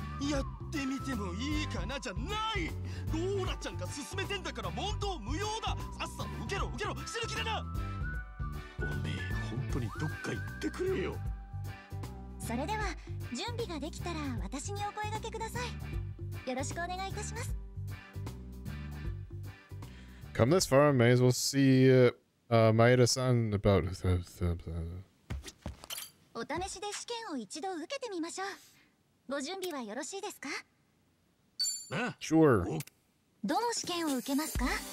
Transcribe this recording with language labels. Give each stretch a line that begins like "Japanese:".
Japanese: やってみてもいいかなじゃない！ローラちゃんが進めてんだから問答無用だ！さっさと受けろ受けろ、死ぬ気だな！おめえ、本当にどっか行ってくれよ。それでは、準備ができたら私にお声掛けください。よろしくお願いいたします。
English: Come this far, may as well see Maeda-san about the...
Japanese: お試しで試験を一度受けてみましょう。ご準備はよろしいですか？
English: Sure。
Japanese: どの試験を受けますか？